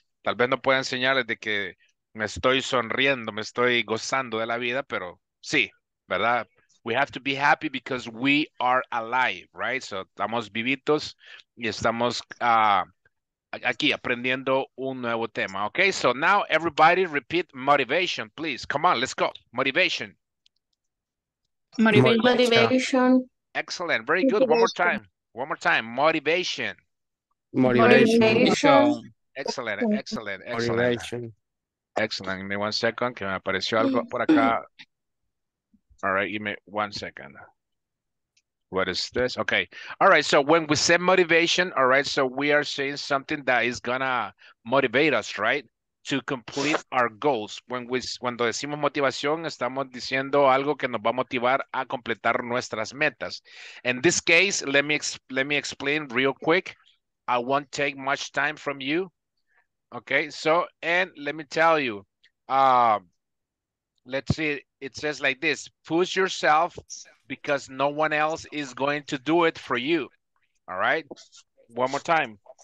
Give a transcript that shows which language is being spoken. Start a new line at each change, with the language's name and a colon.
Spanish: Tal vez no pueda enseñarles de que me estoy sonriendo, me estoy gozando de la vida, pero sí, ¿verdad?
English: We have to be happy because we are alive, right?
Spanish: So, estamos vivitos y estamos aquí aprendiendo un nuevo tema, okay?
English: So, now everybody repeat motivation, please. Come on, let's go. Motivation. Motivation. Excellent. Very good. One more time. One more time. Motivation. Motivation. Excellent. Excellent. Excellent. Excellent. Give me 1 second.
Spanish: Que me apareció algo por acá.
English: All right, give me 1 second. What is this? Okay. All right, so when we say motivation, all right, so we are saying something that is gonna motivate us, right? To complete our goals.
Spanish: Cuando decimos motivación, estamos diciendo algo que nos va a motivar a completar nuestras metas.
English: In this case, let me explain real quick. I won't take much time from you. Okay, so, and let me tell you, let's see. It says like this, push yourself because no one else is going to do it for you. All right? One more time.